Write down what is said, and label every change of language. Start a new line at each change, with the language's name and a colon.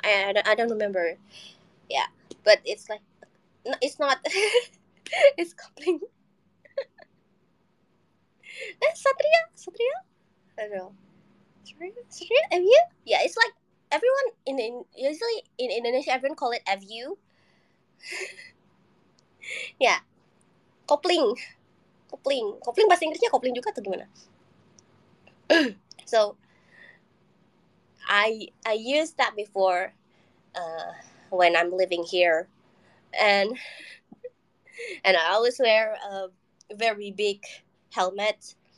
English: I don't remember. Yeah, but it's like no, it's not it's kopling. Satria, Satria? I don't know. Satria, Satria, FU? Yeah, it's like everyone in usually in Indonesia everyone call it FU.
Indonesian: Ya, kopling, kopling, kopling bahasa Inggrisnya kopling juga atau gimana?
English: So, I used that before, when I'm living here, and I always wear a very big helmet.